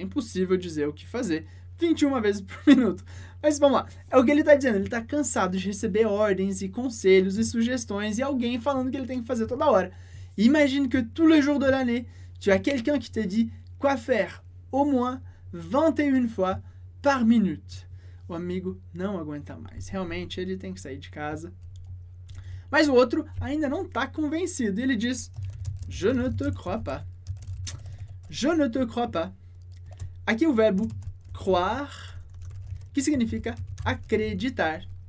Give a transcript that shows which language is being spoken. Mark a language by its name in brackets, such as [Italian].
[Portuguese] É impossível dizer o que fazer 21 vezes por minuto. Mas vamos lá. É o que ele está dizendo. Ele está cansado de receber ordens e conselhos e sugestões e alguém falando que ele tem que fazer toda hora. [French] Imagine que tous les jours de l'année, tu as quelqu'un qui te dit quoi faire au moins 21 fois par minute. [Portuguese] O amigo não aguenta mais. Realmente, ele tem que sair de casa. Mas o outro ainda não está convencido. Ele diz, [French] je ne te crois pas. Je ne te crois pas. [Portuguese] Aqui o verbo croire, que significa acreditar.